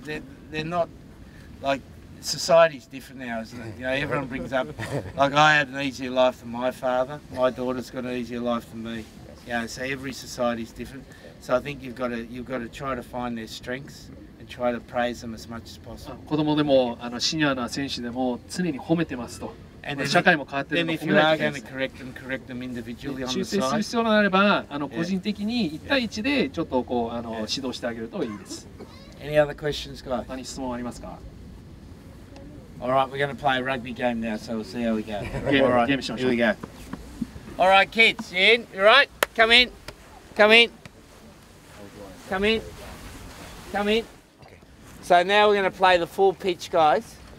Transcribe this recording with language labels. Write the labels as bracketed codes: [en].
[en] Mm. They're not, like, society's different now, isn't it? You know, everyone brings up, like, I had an easier life than my father. My daughter's got an easier life than me. Yes. Yeah. So every society's different. Yeah. So I think you've got to try to find their strengths. Try to praise them as much as possible. [ja] 子供でもあのシニアな選手でも常に褒めてますと。 [en] And、 [ja] 社会も変わってるので、褒められてます。 [en] Then if you are going to correct them, correct them individually on the side. [ja] あの個人的に一対一でちょっとこうあの指導してあげるといいです。 [en] Any other questions, guys? [ja] 他に質問ありますか [en] ？All right, we're going to play a rugby game now, so we'll see how we go. [ja] ゲームしましょう。 [en] Here we go. All right, kids, you in? You right? Come in. So now we're going to play the full pitch, guys.